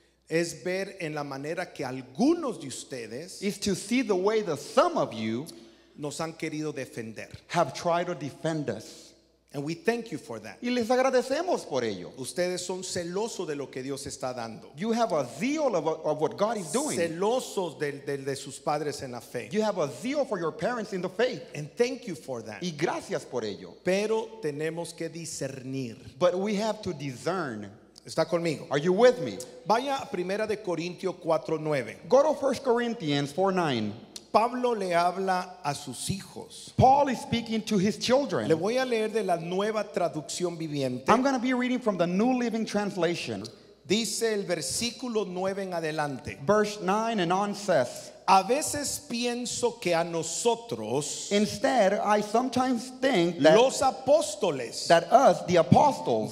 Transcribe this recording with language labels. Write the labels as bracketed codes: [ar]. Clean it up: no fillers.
[es] Es ver en la manera que algunos de ustedes, [en] is to see the way that some of you, [es] nos han querido defender, [en] have tried to defend us, and we thank you for that. [es] Y les agradecemos por ello. Ustedes son celosos de lo que Dios está dando. [en] You have a zeal of what God is doing. [es] Celosos de sus padres en la fe. [en] You have a zeal for your parents in the faith. And thank you for that. [es] Y gracias por ello. Pero tenemos que discernir. [en] But we have to discern. [es] Está conmigo. [en] Are you with me? [es] Vaya a Primera de Corintios 4:9. [en] Go to 1 Corinthians 4:9. [es] Pablo le habla a sus hijos. [en] Paul is speaking to his children. [es] Le voy a leer de la Nueva Traducción Viviente. [en] I'm going to be reading from the New Living Translation. [es] Dice el versículo 9 en adelante. [en] Verse 9 and on says, [es] a veces pienso que a nosotros, [en] instead, I sometimes think that [es] los apóstoles, [en] that us, the apostles,